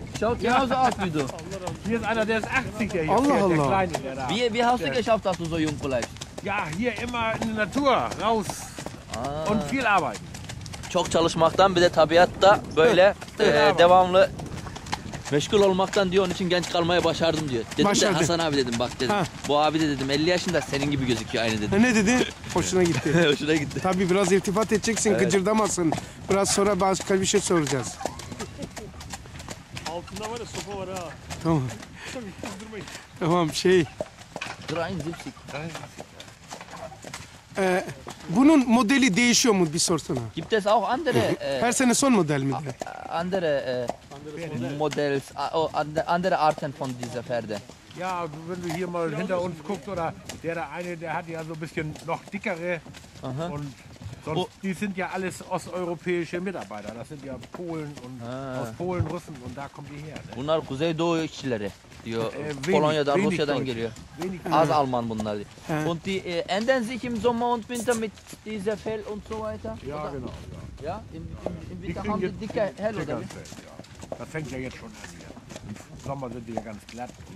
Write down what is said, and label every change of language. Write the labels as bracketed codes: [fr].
[de] Schaut genauso aus wie du. Hier ist einer der ist 80 hier. [tr] Allah Allah. [de] Wie hast du geschafft, dass du so jung bleibst? Ja, hier immer in der Natur raus. Und viel arbeiten. [tr] Çok çalışmaktan bir de tabiatta böyle devamlı meşgul olmaktan diyor, onun için genç kalmayı başardım diyor. Dedim başardı. De Hasan abi dedim bak dedim. Ha. Bu abi de dedim 50 yaşında senin gibi gözüküyor aynı dedim. Ne dedi? Hoşuna gitti. Hoşuna gitti. Tabii biraz iltifat edeceksin, evet. Gıcırdamasın. Biraz sonra başka bir şey soracağız. Altında var ya sopa var ha. Tamam. Tamam şey. Drain zipsik. Bunun modeli değişiyor mu bir sorsana? [de] Gibt es auch andere? [tr] Her sene son model mi? [de] Andere Models, andere Arten von dieser Pferde. Ja, wenn du hier mal hinter uns guckst oder der da eine, der hat ja so ein bisschen noch dickere. Uh-huh. Und sonst, oh. Die sind ja alles osteuropäische Mitarbeiter. Das sind ja Polen und aus Polen, Russen und da kommen die her. [tr] Ne? Bunlar Kuzeydoğu işçileri. Diyor. Polonya'dan, Rusya'dan geliyor. Az Alman bunlar. [de] Und die ändern sich im Sommer und Winter mit dieser Fell und so weiter. Ja, oder? Genau. Ja, im Winter haben die dicke Hell oder wie? Das fängt ja jetzt schon an hier. Im Sommer sind die ja ganz glatt.